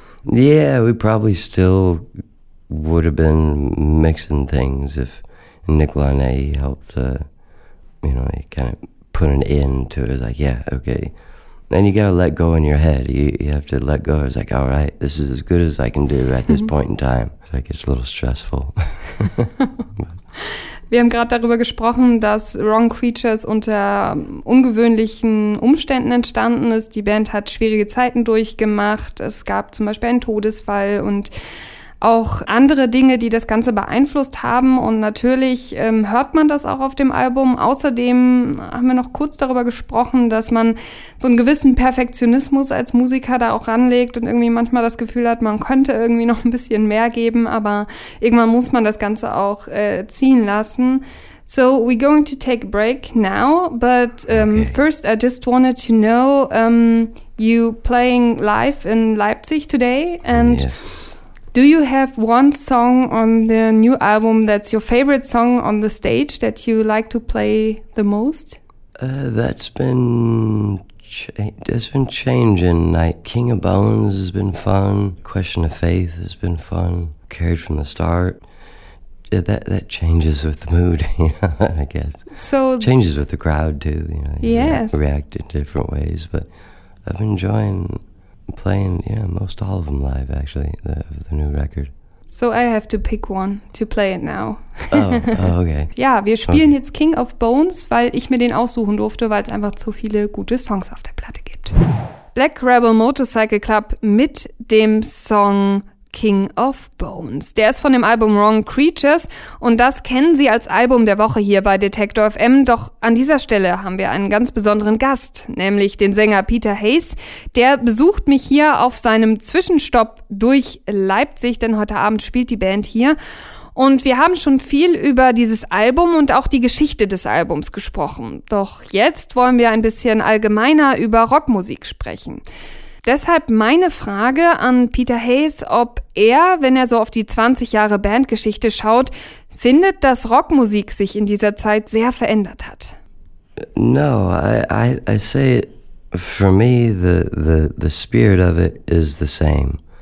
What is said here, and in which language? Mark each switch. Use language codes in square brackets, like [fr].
[en] Yeah, we probably still would have been mixing things if Nick Lanay helped, you know, he kind of put an end to it. It was like, yeah, okay. And you got to let go in your head. You have to let go. It's like, all right, this is as good as I can do at this point in time. It's like, it's a little stressful. [de] Wir haben gerade darüber gesprochen, dass Wrong Creatures unter ungewöhnlichen Umständen entstanden ist. Die Band hat schwierige Zeiten durchgemacht. Es gab zum Beispiel einen Todesfall und auch andere Dinge, die das Ganze beeinflusst haben. Und natürlich hört man das auch auf dem Album. Außerdem haben wir noch kurz darüber gesprochen, dass man so einen gewissen Perfektionismus als Musiker da auch ranlegt und irgendwie manchmal das Gefühl hat, man könnte irgendwie noch ein bisschen mehr geben, aber irgendwann muss man das Ganze auch ziehen lassen. [en] So we're going to take a break now, but okay. First I just wanted to know, you playing live in Leipzig today and... Yes. Do you have one song on the new album that's your favorite song on the stage that you like to play the most? That's been changing. Like King of Bones has been fun. Question of Faith has been fun. Carried from the Start. Yeah, that changes with the mood, I guess. So changes with the crowd too. You know, yes. React in different ways, but I've been enjoying playing, yeah, most all of them live, actually, the new record. So I have to pick one to play it now. Oh, okay. [de] Ja, wir spielen okay. Jetzt King of Bones, weil ich mir den aussuchen durfte, weil es einfach zu viele gute Songs auf der Platte gibt. Black Rebel Motorcycle Club mit dem Song King of Bones. Der ist von dem Album Wrong Creatures und das kennen Sie als Album der Woche hier bei Detektor FM. Doch an dieser Stelle haben wir einen ganz besonderen Gast, nämlich den Sänger Peter Hayes. Der besucht mich hier auf seinem Zwischenstopp durch Leipzig, denn heute Abend spielt die Band hier. Und wir haben schon viel über dieses Album und auch die Geschichte des Albums gesprochen. Doch jetzt wollen wir ein bisschen allgemeiner über Rockmusik sprechen. Deshalb meine Frage an Peter Hayes, ob er, wenn er so auf die 20 Jahre Bandgeschichte schaut, findet, dass Rockmusik sich in dieser Zeit sehr verändert hat. [en] No, I say for me the spirit of it is the same.